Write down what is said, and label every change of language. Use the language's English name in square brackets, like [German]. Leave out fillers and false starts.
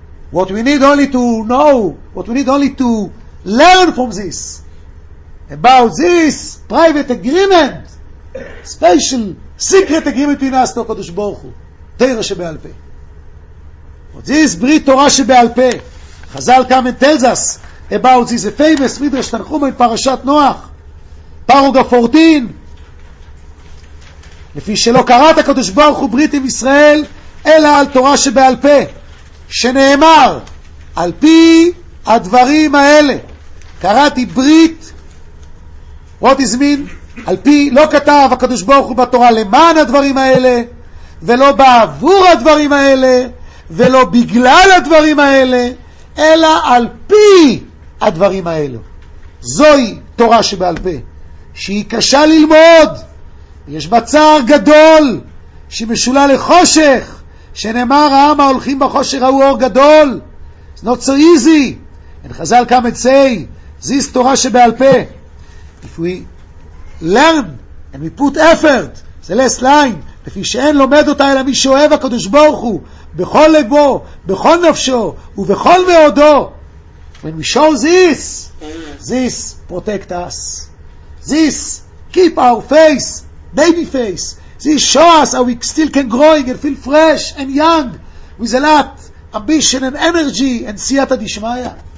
[English] What we need only to know, what we need only to learn from this, about this private agreement, special secret agreement between us to HaKadosh Baruch Hu, Teira Shebe'al Peh. This Brit Torah Shebe'al Peh. Chazal come and tells us about this, a famous Midrash Tanchuma in Parashat Noach, Paragraph 14. [Hebrew] לפי שלא קראת הקדוש ברוך הוא ברית עם ישראל, אלא על תורה שבעל פה, שנאמר, על פי הדברים האלה, קראתי ברית, [English] what is mean? [Hebrew] על פי, לא כתב הקדוש ברוך הוא בתורה למען הדברים האלה, ולא בעבור הדברים האלה, ולא בגלל הדברים האלה, אלא על פי הדברים האלה. זוהי תורה שבעל פה, שהיא קשה ללמוד, יש בצער גדול שמשולה לחושך, שנאמר העם ההולכים בחושך ראו אור גדול. [English] It's not so easy. And חזל קם את say, this Torah שבעל פה. If we learn and we put effort, [Hebrew] זה [English] last line, [Hebrew] לפי שאין לומד אותה אלא מי שאוהב הקדוש ברוך הוא, בכל לבו, בכל נפשו, ובכל מאודו. [English] When we show this, this protect us. This keep our face, baby face. This show us how we still can growing and feel fresh and young with a lot of ambition and energy and siyata dishmaya.